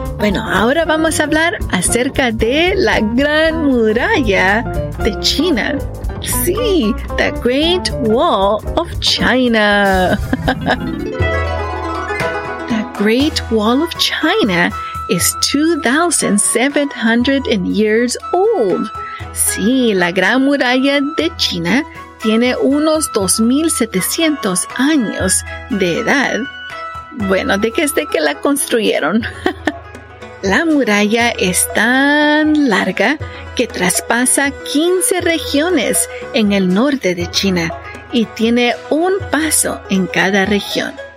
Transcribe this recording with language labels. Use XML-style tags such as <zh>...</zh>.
<es>Bueno, ahora vamos a hablar acerca de la Gran Muralla de China. Sí,</es> <en>the Great Wall of China. The Great Wall of China is 2,700 years old.</en> <es>Sí, la Gran Muralla de China tiene unos 2,700 años de edad. Bueno, ¿de qué la construyeron? La muralla es tan larga que traspasa 15 regiones en el norte de China y tiene un paso en cada región.</es>